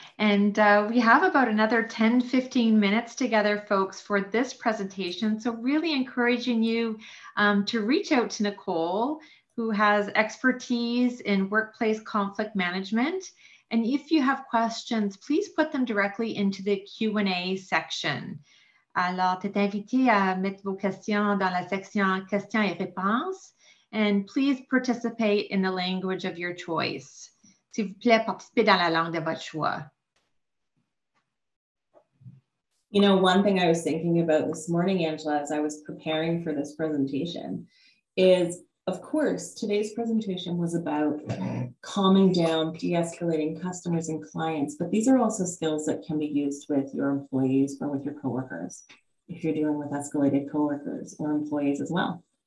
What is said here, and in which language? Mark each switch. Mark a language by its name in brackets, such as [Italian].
[English] And we have about another 10, 15 minutes together, folks, for this presentation. So really encouraging you to reach out to Nicole, who has expertise in workplace conflict management. And if you have questions, please put them directly into the Q&A section. [French] Alors, t'es invité à mettre vos questions dans la section questions et réponses. [English] and please participate in the language of your choice. [French] S'il vous plaît, participez dans la langue de votre choix. [English] You know, one thing I was thinking about this morning, Angela, as I was preparing for this presentation, is, of course, today's presentation was about calming down, de-escalating customers and clients, but these are also skills that can be used with your employees or with your coworkers, if you're dealing with escalated coworkers or employees as well.